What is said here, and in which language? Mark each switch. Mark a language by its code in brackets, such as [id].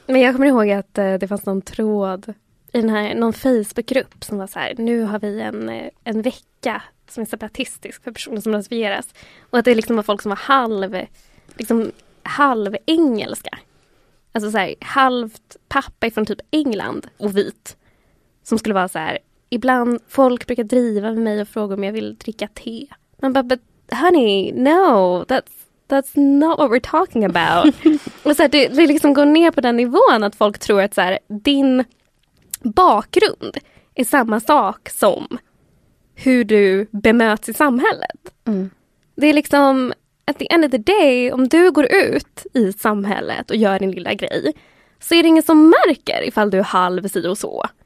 [sv] Men jag kommer ihåg att det fanns någon tråd i den här, någon Facebookgrupp som var så här, nu har vi en vecka som är separatistisk för personer som rasifieras. Och att det liksom var folk som var halv, liksom halv engelska. Alltså så här, halvt pappa från typ England och vit. Som skulle vara så här, ibland folk brukar driva med mig och fråga om jag vill dricka te. Men bara, [en] but honey, no, that's not what we're talking about. [sv] Och så här, det liksom går ner på den nivån att folk tror att så här, din bakgrund är samma sak som hur du bemöts i samhället. Mm. Det är liksom, [en] at the end of the day, [sv] om du går ut i samhället och gör din lilla grej, så är det ingen som märker ifall du är halv si och så.